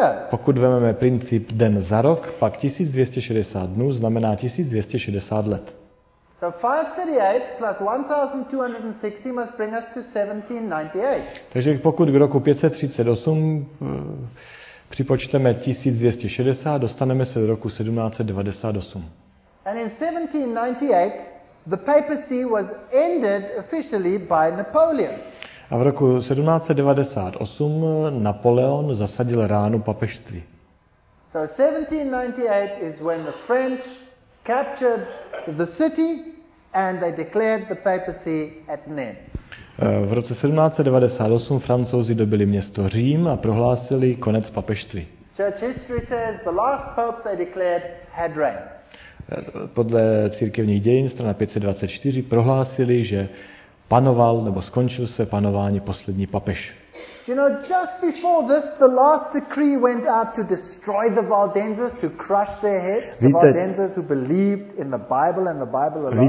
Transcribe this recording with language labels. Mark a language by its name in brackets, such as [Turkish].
[Czech] Pokud vezmeme princip den za rok, pak 1260 dnů znamená 1260 let. [English] So 538 plus 1260 must bring us to 1798. [Czech] Takže pokud k roku 538 připočteme 1260, dostaneme se do roku 1798. [English] And in 1798 the papacy was ended officially by Napoleon. [Czech] A v roku 1798 Napoleon zasadil ránu papežství. [English] So 1798 is when the French captured the city and they declared the papacy at an end. [Czech] V roce 1798 Francouzi dobili město Řím a prohlásili konec papežství. [English] Church history says the last pope they declared had reigned. [Czech] Podle církevních dějin strana 524 prohlásili, že panoval nebo skončil se panování poslední papež. [English] You know, just before this, the last decree went out to destroy the Waldenses, to crush their heads. [Czech] Víte, [English] the Waldenses who believed in the Bible and the Bible alone.